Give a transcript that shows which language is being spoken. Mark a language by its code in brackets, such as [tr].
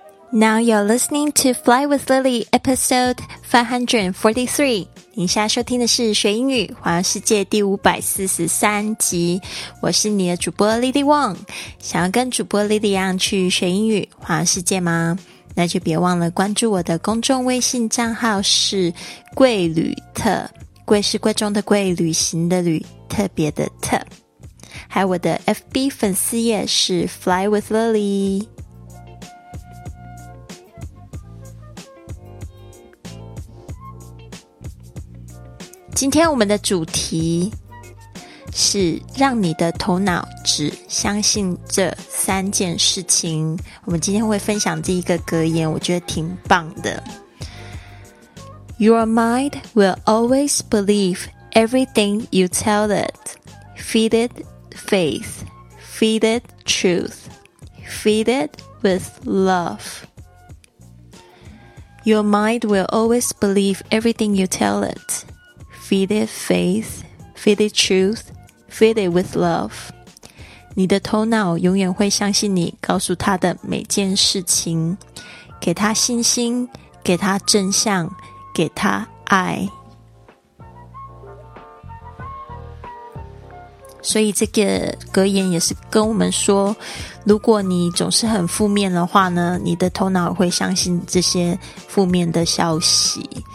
[en] Now you're listening to Fly with Lily, episode 543. [zh] 您现在收听的是学英语环游世界第543集。我是你的主播 Lily Wong。想要跟主播 Lily 一样去学英语环游世界吗？那就别忘了关注我的公众微信账号是贵旅特。贵是贵重的贵，旅行的旅，特别的特。还有我的 FB 粉丝页是 Fly with Lily。今天我们的主题是让你的头脑只相信这三件事情。我们今天会分享这一个格言，我觉得挺棒的。 [en] Your mind will always believe everything you tell it. Feed it faith. Feed it truth. Feed it with love. Your mind will always believe everything you tell it. Feed it faith, feed it truth, feed it with love. [zh] 你的头脑永远会相信你告诉他的每件事情，给他信心，给他真相，给他爱。所以这个格言也是跟我们说，如果你总是很负面的话呢，你的头脑会相信这些负面的消息。